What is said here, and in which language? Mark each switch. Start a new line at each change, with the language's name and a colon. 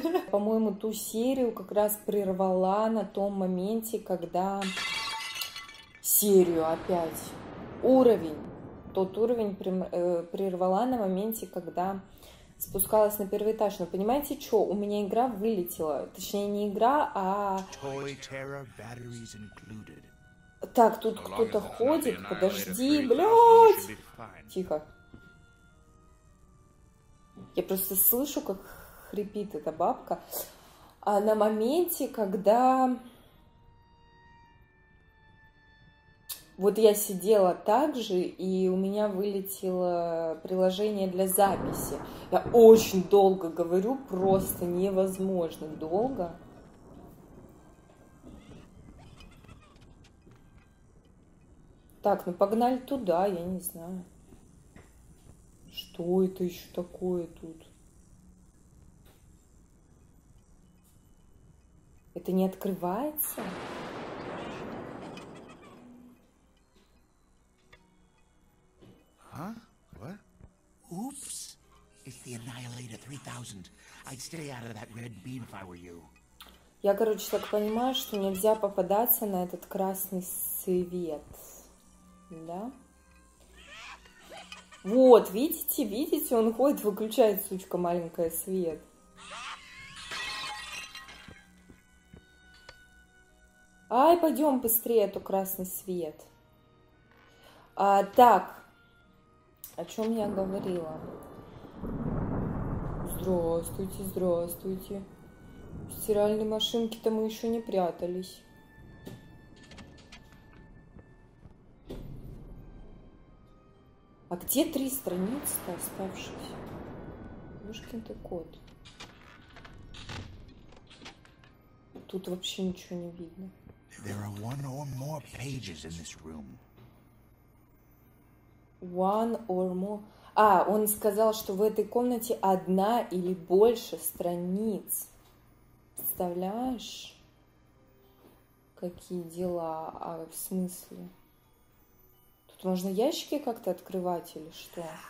Russian: По-моему, ту серию как раз прервала на том моменте, когда серию опять. Уровень. Тот уровень прервала на моменте, когда спускалась на первый этаж. Но понимаете, что? У меня игра вылетела. Точнее, не игра, а...
English: Toy Terror batteries included.
Russian: Так, тут кто-то ходит, подожди, блядь! Тихо. Я просто слышу, как хрипит эта бабка. А на моменте, когда... Вот я сидела так же, и у меня вылетело приложение для записи. Я очень долго говорю, просто невозможно долго. Так, ну погнали туда, я не знаю. Что это еще такое тут? Это не открывается? А?
English: What? Oops. It's the Annihilator 3000. I'd stay out of that red beam if I were you.
Russian: Я, короче, так понимаю, что нельзя попадаться на этот красный свет. Да. Вот, видите, видите, он ходит, выключает, сучка маленькая, свет. Ай, пойдем быстрее, а то красный свет. А, так, о чем я говорила? Здравствуйте, здравствуйте. В стиральной машинке-то мы еще не прятались. А где три страницы-то оставшиеся? Мышкин-то кот. Тут вообще ничего не видно.
English: There are one or more pages in this room. One or more...
Russian: А, он сказал, что в этой комнате одна или больше страниц. Представляешь? Какие дела? А в смысле? Тут можно ящики как-то открывать или что?